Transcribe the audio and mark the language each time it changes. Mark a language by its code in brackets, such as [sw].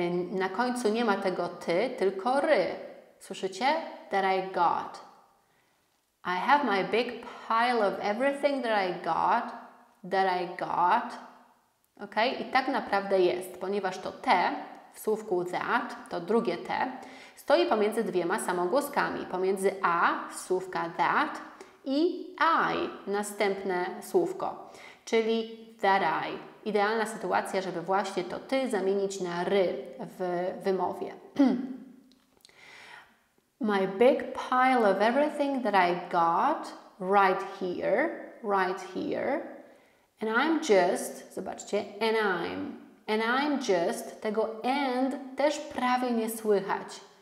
[pl] Na końcu nie ma tego ty, tylko ry. Słyszycie? [en] That I got. I have my big pile of everything that I got. That I got. Ok? [pl] I tak naprawdę jest, ponieważ to te w słówku that, to drugie te, stoi pomiędzy dwiema samogłoskami. Pomiędzy a, słówka that, i I, następne słówko. Czyli that I. Idealna sytuacja, żeby właśnie to ty zamienić na ry w wymowie. [en] My big pile of everything that I got right here. And I'm just, [pl] zobaczcie, [en] and I'm just, [pl] tego [en] and [pl] też prawie nie słychać.